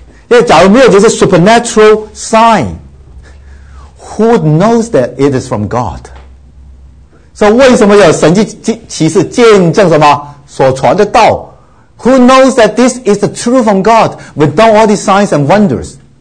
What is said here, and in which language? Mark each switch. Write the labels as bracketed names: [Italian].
[Chinese] 因为假如没有这些 [English] supernatural sign， who knows that it is from God？ [Chinese] 所以为什么有神迹奇事见证什么所传的道？ [English] Who knows that this is the truth from God without all these signs and wonders?